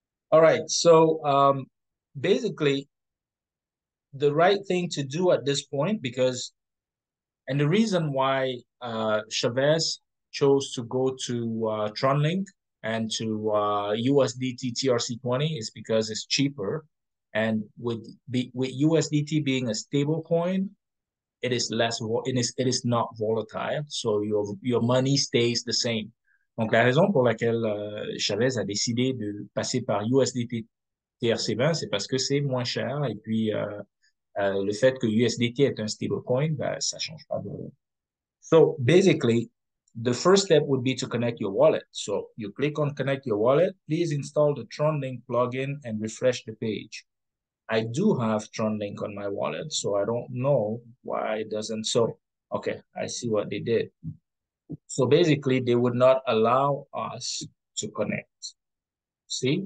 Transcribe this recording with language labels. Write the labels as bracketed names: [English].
[English] All right, so basically, the right thing to do at this point, because, and the reason why Chavez chose to go to Tron Link and to USDT TRC20 is because it's cheaper, and with USDT being a stable coin, it is less, it is not volatile, so your money stays the same. [French] Donc la raison pour laquelle Chavez a décidé de passer par USDT TRC20, c'est parce que c'est moins cher, et puis le fait que USDT est un stable coin, bah, ça change pas de. [English] So basically, the first step would be to connect your wallet. So you click on connect your wallet. Please install the Tron Link plugin and refresh the page. I do have Tron Link on my wallet, so I don't know why it doesn't. So, okay, I see what they did. So basically, they would not allow us to connect. See?